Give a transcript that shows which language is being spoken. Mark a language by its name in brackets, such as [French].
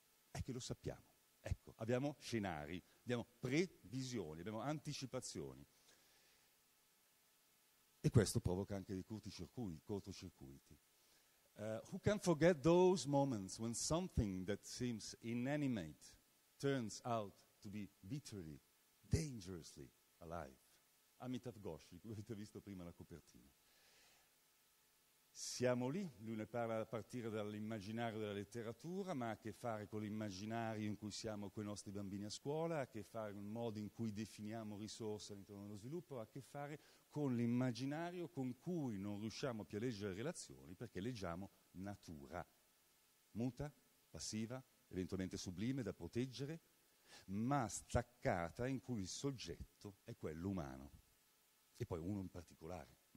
[Italian] È che lo sappiamo. Ecco, abbiamo scenari, abbiamo previsioni, abbiamo anticipazioni. E questo provoca anche dei cortocircuiti. [English] Who can forget those moments when something that seems inanimate turns out to be bitterly, dangerously alive? [Italian] Amitabh Ghosh, che avete visto prima la copertina. Siamo lì, lui ne parla a partire dall'immaginario della letteratura, ma ha a che fare con l'immaginario in cui siamo con i nostri bambini a scuola, ha a che fare con il modo in cui definiamo risorse all'interno dello sviluppo, ha a che fare con l'immaginario con cui non riusciamo più a leggere relazioni perché leggiamo natura, muta, passiva, eventualmente sublime da proteggere, ma staccata in cui il soggetto è quello umano, e poi uno in particolare.